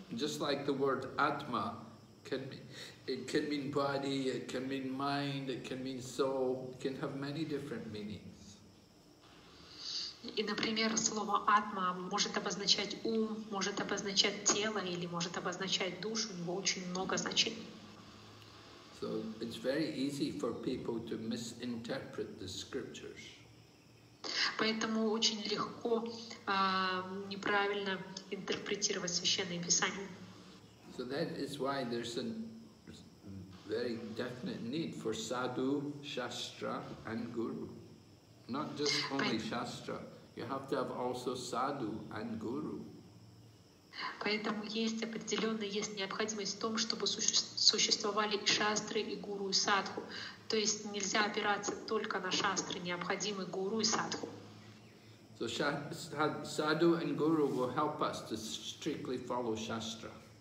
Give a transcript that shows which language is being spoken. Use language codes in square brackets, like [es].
[en] Just like the word atma can be... It can mean body, it can mean mind, it can mean soul, it can have many different meanings. [ru] И, например, слово атма может обозначать ум, может обозначать тело или может обозначать душу, у него очень много значений. [en] So it's very easy for people to misinterpret the scriptures. [ru] Поэтому очень легко неправильно интерпретировать священные писания. [en] So that is why there's an very definite need for sadhu, shastra, and guru. Not just only shastra, you have to have also sadhu and guru. [ru] Поэтому есть определенная есть необходимость в том, чтобы существовали и шастры, и гуру, и садху. То есть нельзя опираться только на шастры, необходимы гуру и садху. [en] So sadhu and guru will help us to strictly follow shastra.